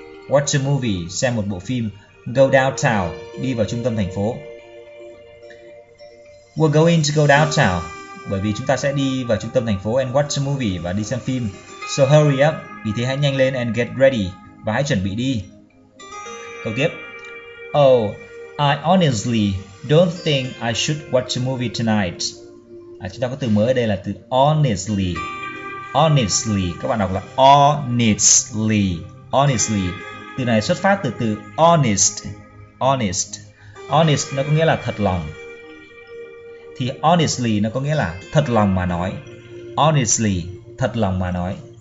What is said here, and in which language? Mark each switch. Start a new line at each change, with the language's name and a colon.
English: Watch a movie,
Vietnamese: xem một bộ phim.
English: Go downtown,
Vietnamese: đi vào trung tâm thành phố.
English: We're going to go downtown,
Vietnamese: bởi vì chúng ta sẽ đi vào trung tâm thành phố
English: and watch a movie
Vietnamese: và đi xem phim.
English: So hurry up,
Vietnamese: vì thế hãy nhanh lên
English: and get ready,
Vietnamese: và hãy chuẩn bị đi. Câu tiếp.
English: Oh, I honestly don't think I should watch a movie tonight.
Vietnamese: À, chúng ta có từ mới ở đây là từ honestly. Honestly, các bạn đọc là honestly. Honestly, từ này xuất phát từ từ honest. Honest, honest nó có nghĩa là thật lòng. Thì honestly nó có nghĩa là thật lòng mà nói. Honestly, thật lòng mà nói.